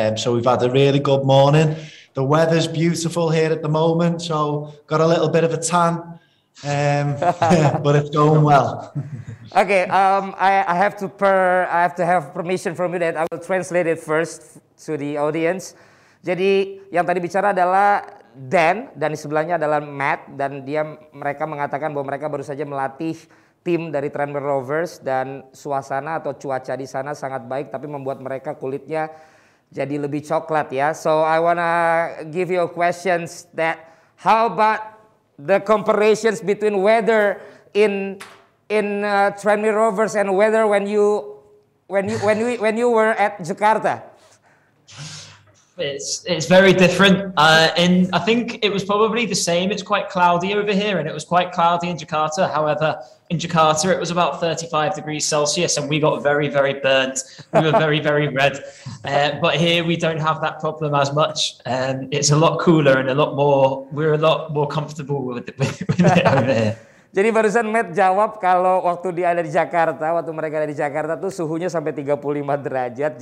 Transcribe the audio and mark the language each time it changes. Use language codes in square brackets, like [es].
[en] So we've had a really good morning. The weather's beautiful here at the moment, so got a little bit of a tan. but it's going well. Okay, I have to have permission from you that I will translate it first to the audience. [id] Jadi yang tadi bicara adalah Dan, dan di sebelahnya adalah Matt, dan dia, mereka mengatakan bahwa mereka baru saja melatih tim dari Tranmere Rovers, dan suasana atau cuaca di sana sangat baik tapi membuat mereka kulitnya jadi lebih coklat ya. [en] So I wanna give you a questions that how about the comparisons between weather in Tranmere Rovers and weather when you were at Jakarta. It's very different. I think it was probably the same. It's quite cloudy over here, and it was quite cloudy in Jakarta. However, in Jakarta it was about 35 degrees Celsius, and we got very, very burnt. We were very, very red. But here we don't have that problem as much. It's a lot cooler and a lot more. We're a lot more comfortable with it over here. [id] Jadi barusan Matt jawab kalau waktu dia ada di Jakarta, waktu mereka ada di Jakarta tuh suhunya sampai 35 derajat.